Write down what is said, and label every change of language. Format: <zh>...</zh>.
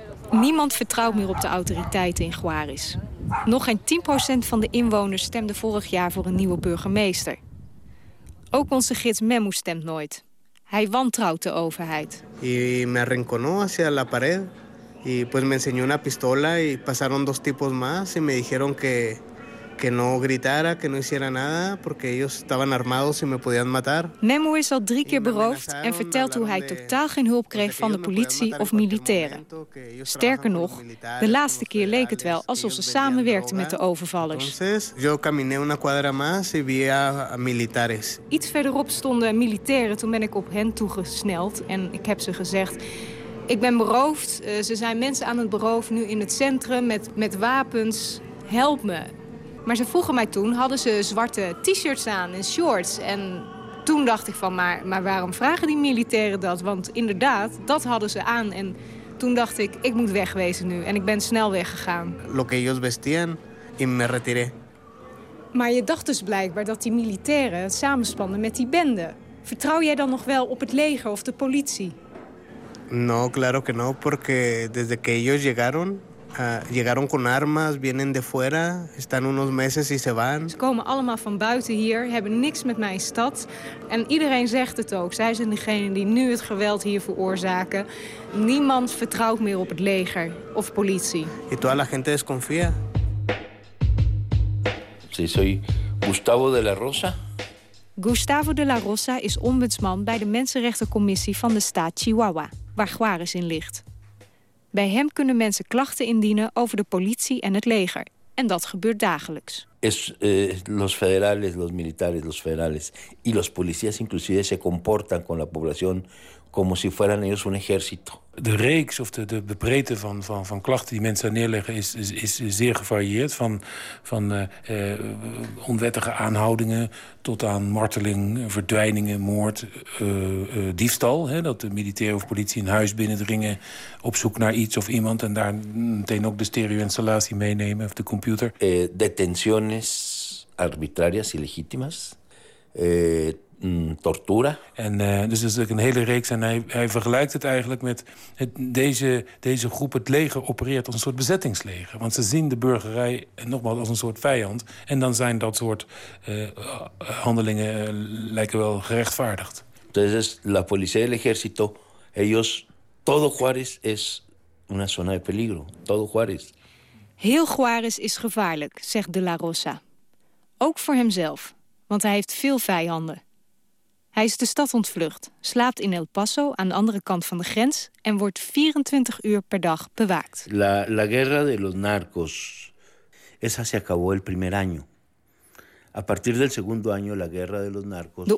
<nl>Niemand vertrouwt meer op de autoriteiten in Juarez. Nog geen 10% van de inwoners stemde vorig jaar voor een nieuwe burgemeester. Ook onze gids Memo stemt nooit. Hij wantrouwt de overheid.</nl> <es>Y me arrinconó hacia la pared y pues me enseñó una pistola y pasaron dos tipos más y me dijeron que no gritara, que no hiciera nada, porque ellos estaban armados y me podían matar.</es> <nl>Memo is al 3 keer beroofd en vertelt hoe hij totaal geen hulp kreeg van de politie of militairen. Sterker nog, de laatste keer leek het wel alsof ze samenwerkten met de overvallers.</nl> <es>Yo caminé una cuadra más y vi a militares.</es> <nl>Iets verderop stonden militairen, toen ben ik op hen toegesneld en ik heb ze gezegd: ik ben beroofd, ze zijn mensen aan het beroven nu in het centrum met wapens, help me. Maar ze vroegen mij toen, hadden ze zwarte t-shirts aan en shorts? En toen dacht ik van, maar waarom vragen die militairen dat? Want inderdaad, dat hadden ze aan. En toen dacht ik, ik moet wegwezen nu. En ik ben snel weggegaan.</nl> <es>Lo que ellos vestían y me retiré.</es> <nl>Maar je dacht dus blijkbaar dat die militairen het samenspannen met die bende. Vertrouw jij dan nog wel op het leger of de politie?</nl> <es>No, claro que no, porque desde que ellos llegaron Llegaron con armas, vienen de fuera, están unos meses y se van.</es> <nl>Ze komen allemaal van buiten hier, hebben niks met mijn stad. En iedereen zegt het ook. Zij zijn degene die nu het geweld hier veroorzaken. Niemand vertrouwt meer op het leger of politie.</nl> <es>Y toda la gente desconfía. Sí, soy Gustavo de la Rosa.</es> <nl>Gustavo de la Rosa is ombudsman bij de Mensenrechtencommissie van de staat Chihuahua, waar Juárez in ligt. Bij hem kunnen mensen klachten indienen over de politie en het leger. En dat gebeurt dagelijks.</nl> <es>Los federales, los militares, los federales y los policías inclusive se comportan con la población como si fueran ellos un ejército.</es> <nl>De reeks of de breedte van klachten die mensen neerleggen is zeer gevarieerd. Van onwettige aanhoudingen tot aan marteling, verdwijningen, moord, diefstal. Hè, dat de militair of politie een huis binnendringen op zoek naar iets of iemand. En daar meteen ook de stereo-installatie meenemen of de computer.</nl> <es>Detenciones arbitrarias illegítimas. Tortura.</es> <nl>Dus dat is een hele reeks. En hij vergelijkt het eigenlijk met deze groep. Het leger opereert als een soort bezettingsleger. Want ze zien de burgerij nogmaals als een soort vijand. En dan zijn dat soort handelingen lijken wel gerechtvaardigd.</nl> <es>Entonces, la policía y el ejército, ellos, todo Juárez es una zona de peligro. Todo Juárez.</es> <nl>Heel Juárez is gevaarlijk, zegt de La Rosa. Ook voor hemzelf, want hij heeft veel vijanden. Hij is de stad ontvlucht, slaapt in El Paso aan de andere kant van de grens en wordt 24 uur per dag bewaakt.</nl> <es>La guerra de los narcos esa se acabó el primer año. A partir del segundo año la guerra de los narcos.</es>